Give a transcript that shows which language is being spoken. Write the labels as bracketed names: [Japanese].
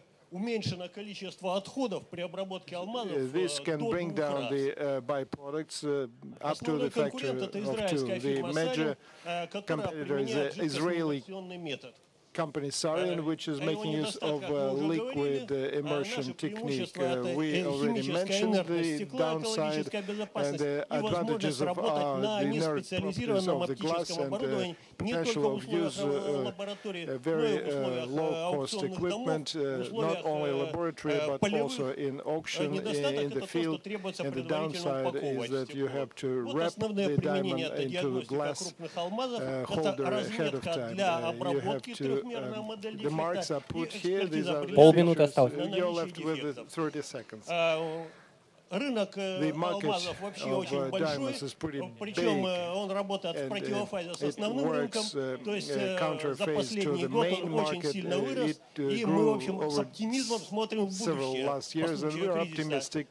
[Russian] Уменьшено количество отходов при обработке алмазов. [English] This can bring down the byproducts up to the factor of two. The major competitor is the Israeli company Sarin, which is making use of liquid immersion technique. We already mentioned the downside and the advantages of the inert properties of the glass and the potential of use very low-cost equipment, not only laboratory, but also in auction, in the field. And the downside is that you have to wrap the diamond into the glass holder ahead of time. You have to the marks are put here. These are [Russian] полминуты осталось. [English] You're left with 30 seconds. [Russian] Рынок алмазов вообще очень большой, причем он работает в противофазе с основным рынком, то есть за последние годы он очень сильно вырос, и мы, в общем, с оптимизмом смотрим в будущее, по случаю кризиса.